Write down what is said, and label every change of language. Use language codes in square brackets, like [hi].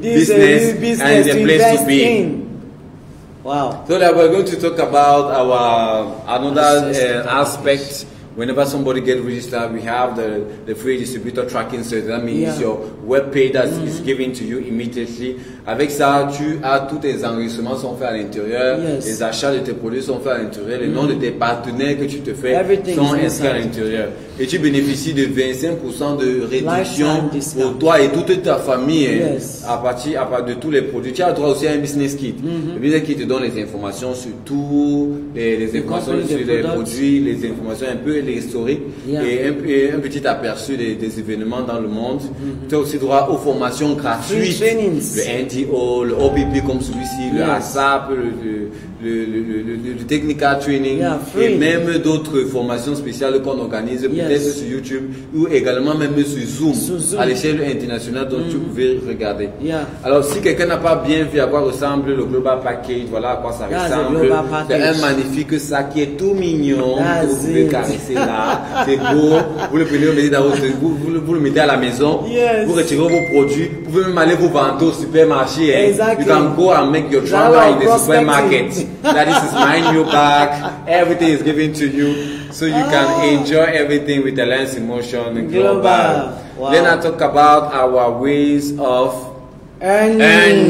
[en] business and the place to be. In. Wow. So now we're going to talk about our another aspect whenever somebody gets registered, we have the free distributor tracking service. That means your web page that is given to you immediately. [fr] Avec ça, tu as tous tes enregistrements sont faits à l'intérieur. Les achats de tes produits sont faits à l'intérieur. Les noms de tes partenaires que tu te fais sont inscrits à l'intérieur. Et tu bénéficies de 25% de réduction pour toi et toute ta famille à partir de tous les produits. Tu as droit aussi à un business kit. Le business kit te donne les informations sur tous les informations sur les produits, les informations un peu l'historique et un petit aperçu des événements dans le monde. Tu as aussi droit aux formations gratuites. NTO, le OPP comme celui-ci, le ASAP, le Technical Training et même d'autres formations spéciales qu'on organise peut-être sur YouTube ou également même sur Zoom, à l'échelle internationale dont tu pouvais regarder. Alors si quelqu'un n'a pas bien vu à quoi ressemble le Global Package, voilà à quoi ça ressemble. C'est un magnifique sac qui est tout mignon, vous pouvez caresser là, c'est beau, vous le prenez, vous le mettez à la maison, vous retirez vos produits, vous pouvez même aller vous vendre aussi. [en] Supermarché, you can go and make your travel in the supermarket. That is my new bag. Everything is given to you, so you can enjoy everything with the Lens in Motion Global. Then I talk about our ways of earning.